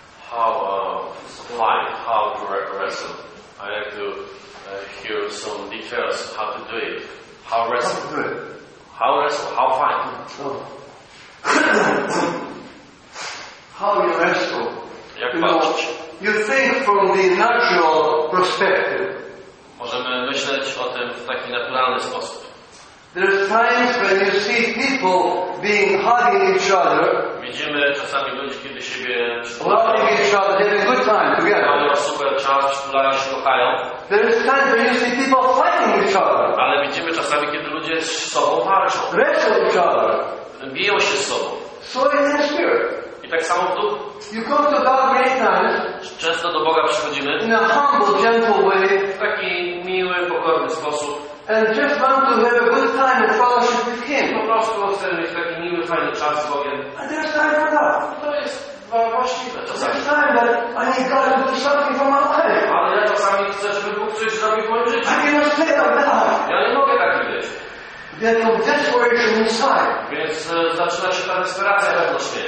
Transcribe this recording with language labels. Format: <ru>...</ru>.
<en>How, fine, how to wrestle. I have to hear some details of how to do it. How wrestle? How to do it. How wrestle? How fine? Oh. How you wrestle?</en> <pl>Jak walczyć?</pl> <en>You think from the natural perspective.</en> <pl>Możemy myśleć o tym w taki naturalny sposób.</pl> <en>There are times when you see people being hugging each other.</en> <pl>Widzimy czasami ludzi, kiedy siebie</pl> <en>hugging each other, they have a good time together.</en> <pl>Mamy super czas, szpulają się, kochają.</pl> <en>There are times when you see people fighting each other.</en> <pl>Ale widzimy czasami, kiedy ludzie z sobą walczą.</pl> <en>Wrestle each other.</en> <pl>Biją się z sobą.</pl> <en>So in the spirit.</en> <pl>I tak samo tu.</pl> <en>You come to God many times.</en> <pl>Często do Boga przychodzimy.</pl> <en>In a humble, gentle way.</en> <pl>W taki miły, pokorny sposób.</pl> <en>And just want to have a good time and fellowship with Him.</en> <pl>Po prostu chcę mieć taki miły, fajny czas z Bogiem.</pl> <en>And there's time for that.</en> <pl>To jest właściwe.</pl> <en>There's time that I need God to do something for my life.</en> <pl>Ale ja czasami chcę, żeby Bóg coś zrobił w moim życiu.</pl> <en>I cannot stay like that.</en> <pl>Ja nie mogę tak być.</pl> <en>Then from desperation inside.</en> <pl>Więc zaczyna się ta desperacja wewnątrz.</pl>